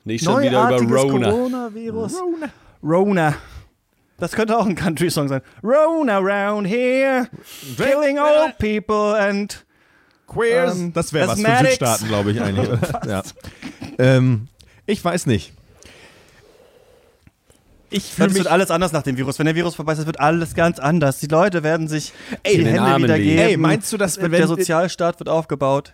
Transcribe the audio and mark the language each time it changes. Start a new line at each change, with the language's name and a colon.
German: Nicht schon wieder über Rona. Coronavirus. Rona. Das könnte auch ein Country-Song sein.
English: Rona around here, killing old people and queers.
German: Das wäre was für Südstaaten, glaube ich eigentlich. Ja. Ich weiß nicht. Ich fühle mich alles anders nach dem Virus. Wenn der Virus vorbei ist, wird alles ganz anders. Die Leute werden sich die Hände wieder geben. Ey, meinst du, dass wenn der Sozialstaat wird aufgebaut?